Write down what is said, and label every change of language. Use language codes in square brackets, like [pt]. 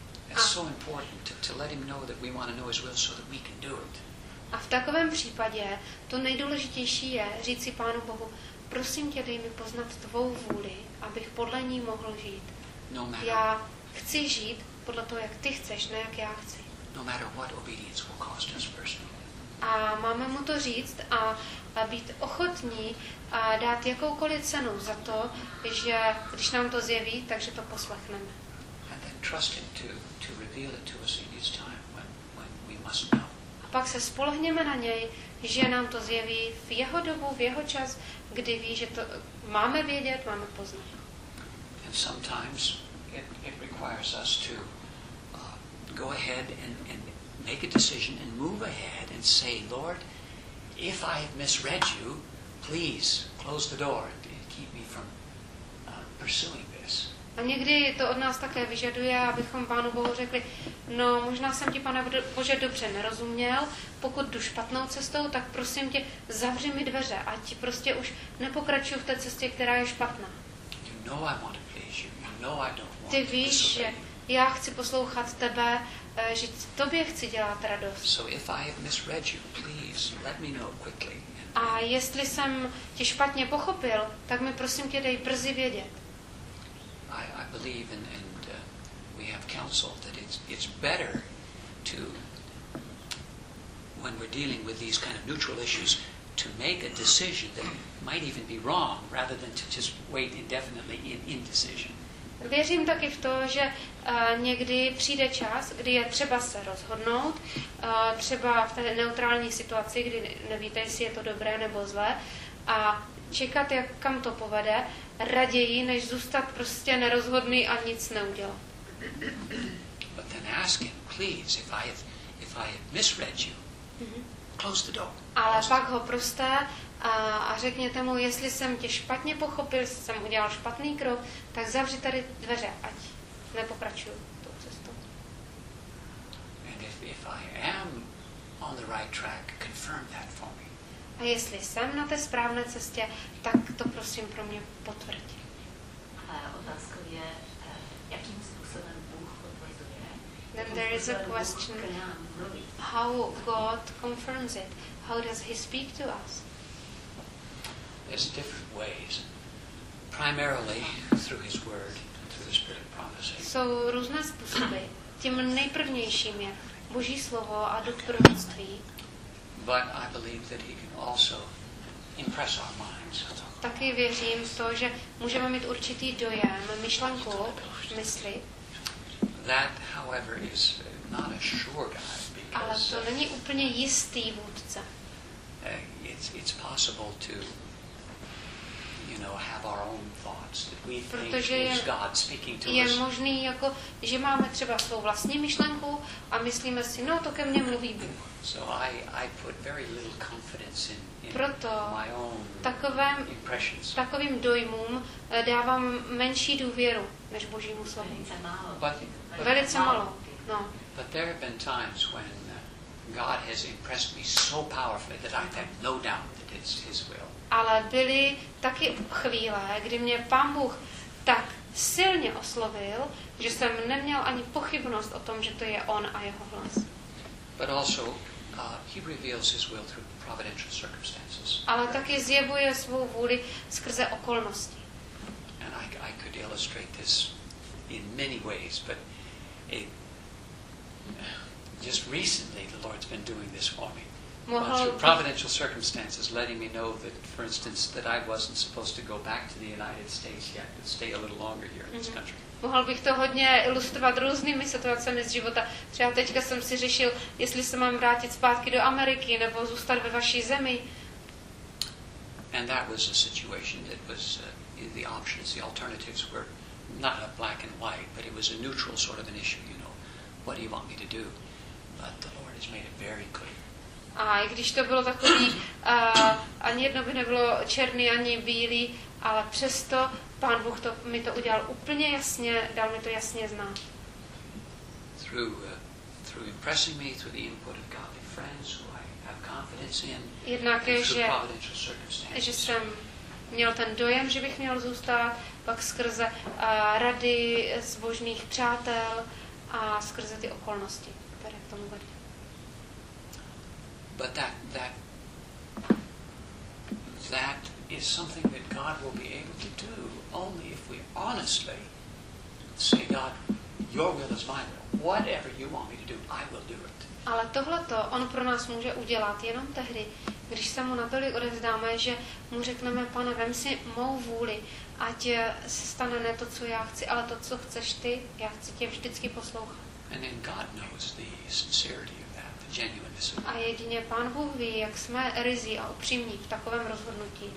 [en] It's so important to let Him know that we want to know His will so that we can do it. [cs] A v takovém případě to nejdůležitější je říci Pánu Bohu, prosím tě, dej mi poznat tvou vůli, abych podle ní mohl žít. [en] No matter. [cs] Já chci žít podle toho, jak ty chceš, ne jak já chci. [en] No matter what obedience will cost us personally. [cs] A máme mu to říct a být ochotní a dát jakoukoliv cenu za to, že když nám to zjeví, takže to poslechneme. [en] And then trust Him to reveal it to us in His time when we must know. [cs] A pak se spolehněme na něj, že nám to zjeví v jeho dobu, v jeho čas, kdy ví, že to máme vědět, máme poznat. [en] And sometimes it requires us to go ahead and make a decision and move ahead and say, Lord, if I have misread you, please close the door and keep me from pursuing this. [cs] A někdy to od nás také vyžaduje, abychom Pánu Bohu řekli, no možná jsem ti, Pane Bože, dobře nerozuměl, pokud jdu špatnou cestou, tak prosím tě, zavři mi dveře, ať prostě už nepokračuju v té cestě, která je špatná. [en] You know I want to please you, you know I don't want to disobey you. [cs] Já chci poslouchat tebe, že tobě chci dělat radost. [en] So if I have misread you, please let me know quickly. [cs] A jestli jsem tě špatně pochopil, tak mi prosím tě dej brzy vědět. [en] I believe and we have counsel that it's better to, when we're dealing with these kind of neutral issues, to make a decision that might even be wrong rather than to just wait indefinitely in indecision. [cs] Věřím taky v to, že někdy přijde čas, kdy je třeba se rozhodnout, třeba v té neutrální situaci, kdy nevíte, jestli je to dobré nebo zlé, a čekat, jak kam to povede, raději, než zůstat prostě nerozhodný a nic neudělat. [en] But then ask him, please, if I have misread you, close the door. [cs] Ale pak ho prostě a řekněte mu, jestli jsem tě špatně pochopil, jestli jsem udělal špatný krok, tak zavři tady dveře, ať nepokračuju tou cestou. [en] And if I am on the right track, confirm that for me. [cs] A jestli jsem na té správné cestě, tak to prosím pro mě potvrď. A otázka je, jakým způsobem Bůh potvrzuje? [en] Then there is a question, how God confirms it? How does He speak to us? There's different ways, primarily through His Word, through the Spirit of Prophecy. [cs] Jsou různé způsoby. Tím nejprvnějším je Boží slovo a duch proroctví. [en] But I believe that He can also impress our minds. [cs] Taky věřím v to, že můžeme mít určitý dojem, myšlenku, mysli. [en] That, however, is not a sure guide. [cs] Ale to není úplně jistý vůdce. [en] It's possible to, you know, have our own thoughts that we [cs] Protože [en] think is God speaking to [cs] je [en] us. [cs] Je možný, jako, že máme třeba svou vlastní myšlenku a myslíme si, no to ke mně mluví Bůh. [en] So I put very little confidence in [cs] Proto [en] my own [cs] takovém, [en] impressions. [cs] Takovým dojmům dávám menší důvěru než Božímu slovu. Velice málo. Velice málo. No. [en] But there have been times when God has impressed me so powerfully that I have no doubt that it's His will. [cs] Ale byly taky chvíle, kdy mě Pán Bůh tak silně oslovil, že jsem neměl ani pochybnost o tom, že to je On a Jeho hlas. [en] But also, He reveals His will through providential circumstances. [cs] Ale taky zjevuje svou vůli skrze okolnosti. [en] And I could illustrate this in many ways, but it just recently the Lord's been doing this for me. Well, through providential circumstances, letting me know that, for instance, that I wasn't supposed to go back to the United States yet, to stay a little longer here in this country. [cs] Mohl bych to hodně ilustrovat různými situacemi z života. Třeba teďka jsem si řešil, jestli se mám vrátit zpátky do Ameriky nebo zůstat ve vaší zemi. [en] And that was a situation that was the options, the alternatives were not a black and white, but it was a neutral sort of an issue, you know. What do you want me to do? But the Lord has made it very clear. [cs] A i když to bylo takový, ani jedno by nebylo černý, ani bílý, ale přesto Pán Bůh to, mi to udělal úplně jasně, dal mi to jasně znát. [en] Through impressing me, through the input of godly friends who I have confidence in, [cs] jednak je, že jsem měl ten dojem, že bych měl zůstat, pak skrze rady zbožných přátel a skrze ty okolnosti, které k tomu vedly. [en] But that is something that God will be able to do only if we honestly say, God, your will is my will. Whatever you want me to do, I will do it. [cs] Ale tohle to on pro nás může udělat jenom tehdy, když se mu natolik odevzdáme, že mu řekneme, Pane, vem si mou vůli, ať se stane ne to, co já chci, ale to, co chceš ty, já chci tě vždycky poslouchat. [en] And then God knows the sincerity of that, the genuineness of that. [cs] A jedině Pán Bůh ví, jak jsme ryzí a upřímní v takovém rozhodnutí.